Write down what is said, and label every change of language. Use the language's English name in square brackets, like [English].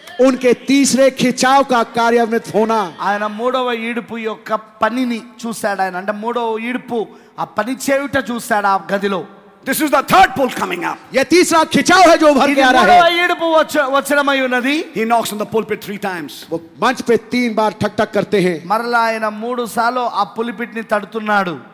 [Hindi] उनके तीसरे खिचाव का कार्य होना [Telugu] ఆయన మూడవ ఈడుపు యొక్క పనిని చూసాడు. ఆయన అంటే మూడవ ఈడుపు ఆ పని చేయుట చూసాడు ఆ గదిలో. [English] This is the third pull coming up. [Hindi] ये तीसरा खिचाव है जो उभर के आ रहा है. [Telugu] ఈ మూడవ ఈడుపు వచ్చడమై ఉన్నది. [English] He knocks on the pulpit 3 times. [Hindi] वो मंच पे 3 बार ठक ठक करते हैं. [Telugu] మరలా ఆయన మూడు సార్లు ఆ పుల్పిట్ ని తడుతున్నాడు.